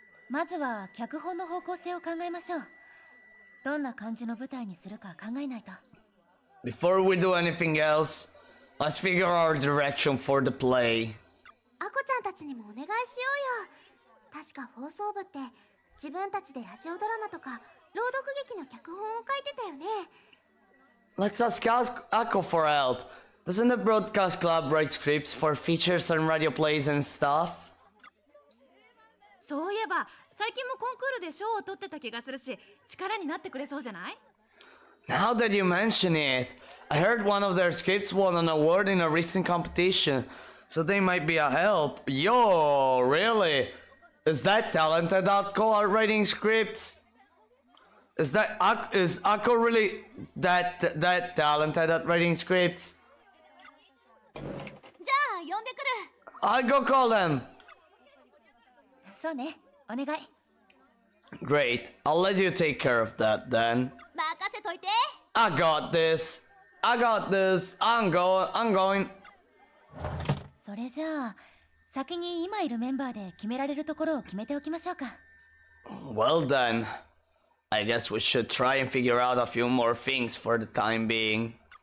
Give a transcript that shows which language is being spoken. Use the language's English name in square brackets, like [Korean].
[Japanese] まずは脚本の方向性を考えましょう。どんな感じの舞台にするか考えないと。 [English] Before we do anything else, let's figure our direction for the play. [Japanese] あこちゃんたちにもお願いしようよ。確か放送部って自分たちでラジオドラマとか朗読劇の脚本を書いてたよね。 [English] Let's ask Akko for help. Doesn't the Broadcast Club write scripts for features and radio plays and stuff? [Japanese] そういえば、最近もコンクールで賞を取ってた気がするし、力になってくれそうじゃない? [English] Now that you mention it, I heard one of their scripts won an award in a recent competition, so they might be a help. Yo, really? Is that talented Akko at writing scripts? Is Akko really that talented at writing scripts? [Japanese] じゃあ呼んでくる。 [English] I'll go call them. [Japanese] そうね、お願い。 [English] Great, I'll let you take care of that then. [Japanese] 任せといて。 [English] I got this. I'm going. [Japanese] それじゃあ、先に今いるメンバーで決められるところを決めておきましょうか。 [English] Well then. I guess we should try and figure out a few more things for the time being.